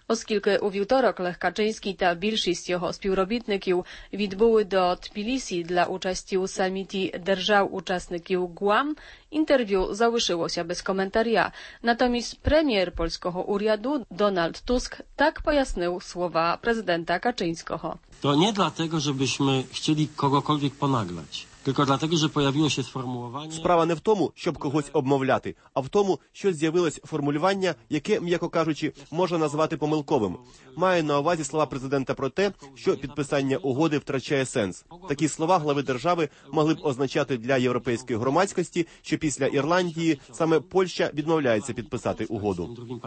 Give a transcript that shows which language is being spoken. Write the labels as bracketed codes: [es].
[uk] Оскільки у вівторок Лех Качинський та більшість його співробітників відбули до Тбілісі для участі у саміті держав-учасників ГУАМ, інтерв'ю залишилося без коментаря. Натомість прем'єр польського уряду Дональд Туск так пояснив слова президента Качинського. [pl] «То не dlatego, żebyśmy chcieli kogokolwiek ponaglać. Tylko dlatego, że pojawiło się sformułowanie. [uk] Справа не в тому, щоб когось обмовляти, а в тому, що з'явилось формулювання, яке, м'яко кажучи, можна назвати помилковим. Маю на увазі слова президента про те, що підписання угоди втрачає сенс. Такі слова глави держави могли б означати для європейської громадськості, що після Ірландії саме Польща відмовляється підписати угоду.